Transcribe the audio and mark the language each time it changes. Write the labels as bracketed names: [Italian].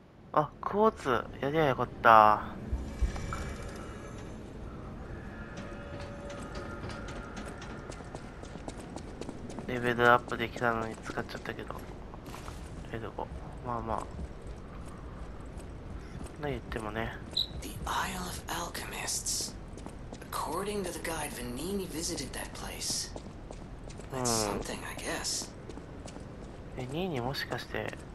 [Japanese] あ、クォーツやりゃよかった。レベルアップできたのに使っちゃったけど、レベル5、まあまあ、何言ってもね。 [English] The Isle of Alchemists. According to the guide, Venini visited that place. [Japanese] え、ニーニーもしかして。